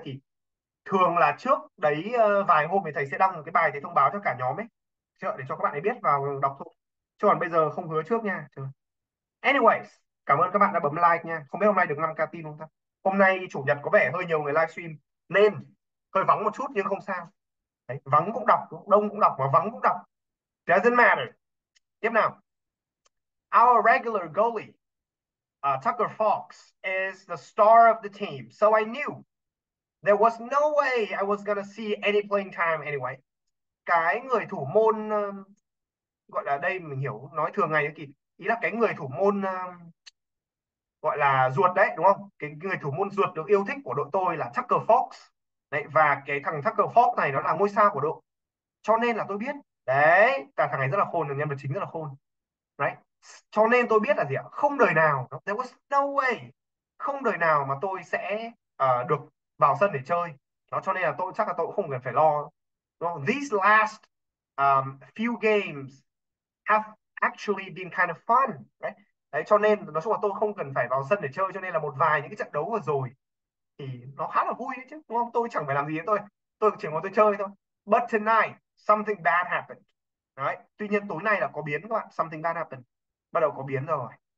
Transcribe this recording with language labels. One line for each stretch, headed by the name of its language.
Vietnamese: Thì thường là trước đấy vài hôm thì thầy sẽ đăng một cái bài, thầy thông báo cho cả nhóm ấy chợ để cho các bạn ấy biết vào đọc thôi, chứ còn bây giờ không hứa trước nha. Anyways, cảm ơn các bạn đã bấm like nha, không biết hôm nay được 5k tin không ta. Hôm nay chủ nhật có vẻ hơi nhiều người livestream nên hơi vắng một chút nhưng không sao. Đấy, vắng cũng đọc, đông cũng đọc mà vắng cũng đọc.
English: Doesn't matter.
Vietnamese: Tiếp nào.
English: Our regular goalie, Tucker Fox, is the star of the team. So I knew there was no way I was gonna see any playing time anyway.
Vietnamese: Cái người thủ môn, gọi là đây mình hiểu, nói thường ngày thì ý là cái người thủ môn, gọi là ruột đấy đúng không, cái người thủ môn ruột được yêu thích của đội tôi là Tucker Fox đấy, và cái thằng Tucker Fox này nó là ngôi sao của đội, cho nên là tôi biết đấy, cả thằng này rất là khôn, là nhân vật chính rất là khôn đấy, cho nên tôi biết là gì ạ, không đời nào,
English: there was no way,
Vietnamese: không đời nào mà tôi sẽ được vào sân để chơi nó, cho nên là tôi chắc là tôi cũng không cần phải lo đúng không?
English: These last few games have actually been kind of fun đấy.
Vietnamese: Đấy, cho nên nói chung là tôi không cần phải vào sân để chơi, cho nên là một vài những cái trận đấu vừa rồi thì nó khá là vui đấy chứ, đúng không? Tôi chẳng phải làm gì hết, tôi chỉ ngồi tôi chơi thôi.
English: But tonight, something bad happened.
Vietnamese: Đấy, tuy nhiên tối nay là có biến các bạn,
English: something bad happened.
Vietnamese: Bắt đầu có biến rồi.